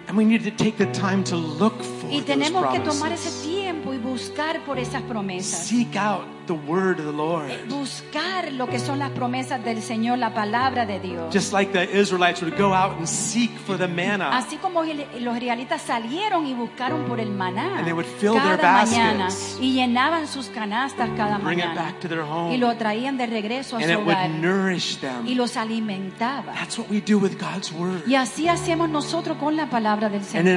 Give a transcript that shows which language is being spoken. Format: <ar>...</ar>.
<en>And we need to take the time to look for those promises.</en> <es>Y tenemos que tomar ese tiempo y buscar por esas promesas.</es> <en>Seek out the word of the Lord.</en> <es>Buscar lo que son las promesas del Señor, la palabra de Dios.</es> <en>Just like the Israelites would go out and seek for the manna.</en> <es>Así como los israelitas salieron y buscaron por el maná.</es> <en>And they would fill their baskets.</en> <es>Cada mañana y llenaban sus canastas cada mañana.</es> <en>Bring it back to their home.</en> <es>Y lo traían de regreso a su hogar.</es> <en>And it would nourish them.</en> <es>Y los alimentaba.</es> <en>That's what we do with God's word.</en> <es>Y así hacemos nosotros con la palabra del Señor.</es>